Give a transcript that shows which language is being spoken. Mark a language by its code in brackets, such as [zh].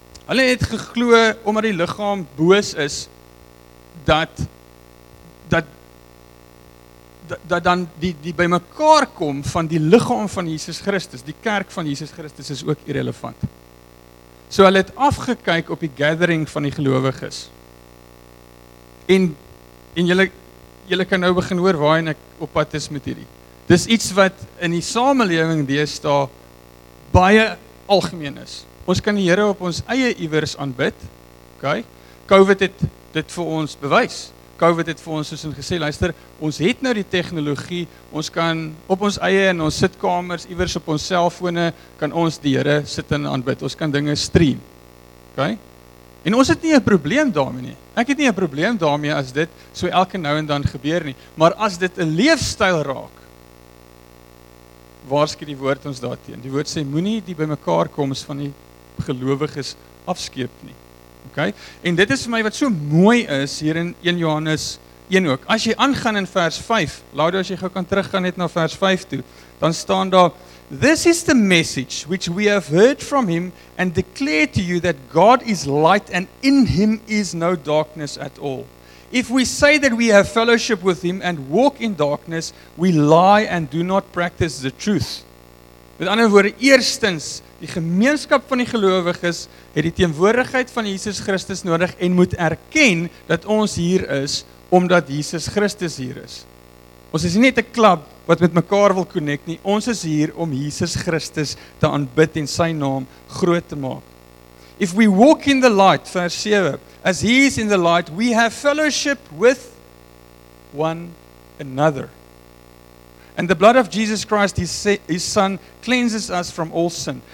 [af] Hulle het geglo omdat die liggaam boos is dat dan die bymekaar kom van die liggaam van Jesus Christus, die kerk van Jesus Christus is ook irrelevant. So hulle het afgekyk op die gathering van die gelowiges. En julle kan nou begin hoor waarheen ek op pad is met hierdie. Dis iets wat in die samelewing deesdae baie algemeen is. Ons kan die Here op ons eie iewers aanbid. OK? COVID het dit vir ons bewys. COVID het vir ons soos in gesê, luister, ons het nou die tegnologie, ons kan op ons eie in ons sitkamers, iewers op ons selfone, kan ons die Here sit en aanbid. Ons kan dinge stream. OK? En ons het nie 'n probleem daarmee nie. Ek het nie 'n probleem daarmee as dit so elke nou en dan gebeur nie, maar as dit 'n leefstyl raak, waarskyn die woord ons daarteen. Die woord sê moenie die bymekaar koms van die gelowiges afskeep nie. OK? En dit is vir my wat so mooi is hier in 1 Johannes 1 ook. As jy aangaan in vers 5, laat as jy gou kan teruggaan net na vers 5 toe, dan staan daar: [en] "This is the message which we have heard from him and declare to you that God is light and in him is no darkness at all. If we say that we have fellowship with him and walk in darkness, we lie and do not practice the truth." [af] Met ander woorde, eerstens, die gemeenskap van die gelowiges het die teenwoordigheid van Jesus Christus nodig en moet erken dat ons hier is omdat Jesus Christus hier is. Ons is nie net 'n klub wat met mekaar wil connect nie. Ons is hier om Jesus Christus te aanbid en sy naam groot te maak. [en] "If we walk in the light," vers 7, "as he is in the light, we have fellowship with one another. And the blood of Jesus Christ, his son, cleanses us from all sin.